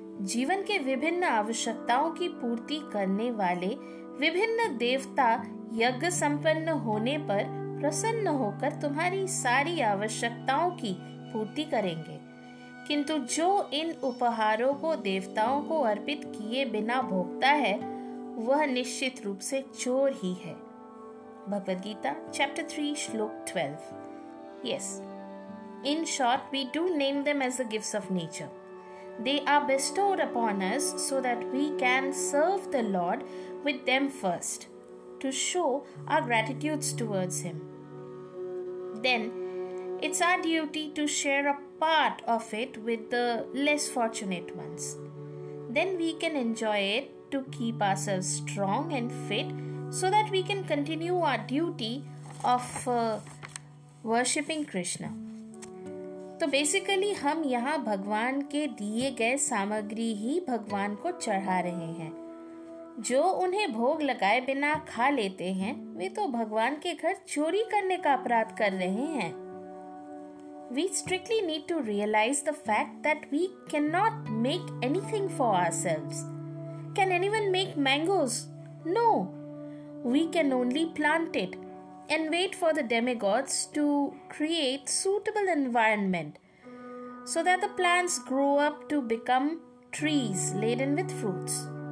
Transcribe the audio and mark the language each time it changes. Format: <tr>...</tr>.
<hi>जीवन के विभिन्न आवश्यकताओं की पूर्ति करने वाले विभिन्न देवता यज्ञ संपन्न होने पर प्रसन्न होकर तुम्हारी सारी आवश्यकताओं की पूर्ति करेंगे, किंतु जो इन उपहारों को देवताओं को अर्पित किए बिना भोगता है वह निश्चित रूप से चोर ही है। भगवद गीता चैप्टर 3 श्लोक 12।</hi> <en>Yes, in short we do name them as the gifts of nature. They are bestowed upon us so that we can serve the Lord with them first, to show our gratitudes towards Him. Then, it's our duty to share a part of it with the less fortunate ones. Then we can enjoy it to keep ourselves strong and fit so that we can continue our duty of worshipping Krishna.</en> <hi>तो basically हम यहाँ भगवान के दिए गए सामग्री ही भगवान को चढ़ा रहे हैं। जो उन्हें भोग लगाए बिना खा लेते हैं वे तो भगवान के घर चोरी करने का अपराध कर रहे हैं।</hi> <en>We strictly need to realize the fact that we cannot make anything for ourselves. Can anyone make mangoes? No. We can only plant it. And wait for the demigods to create suitable environment so that the plants grow up to become trees laden with fruits.</en>